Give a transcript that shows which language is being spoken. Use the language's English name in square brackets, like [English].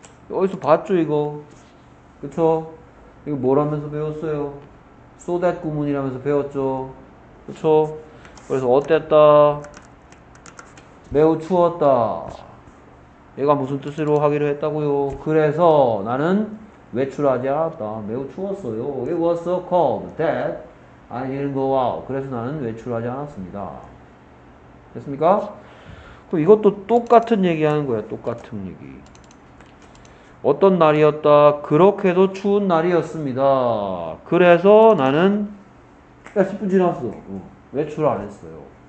[Korean] 어디서 봤죠, 이거? 그쵸? 이거 뭐라면서 배웠어요? So that 구문이라면서 배웠죠? 그쵸? 그래서 어땠다? 매우 추웠다. 얘가 무슨 뜻으로 하기로 했다고요? 그래서 나는 외출하지 않았다. 매우 추웠어요. [English] It was so cold that I didn't go out. [Korean] 그래서 나는 외출하지 않았습니다. 됐습니까? 그럼 이것도 똑같은 얘기하는 거야, 똑같은 얘기. 어떤 날이었다. 그렇게도 추운 날이었습니다. 그래서 나는 10분 지났어. 외출을 안 했어요.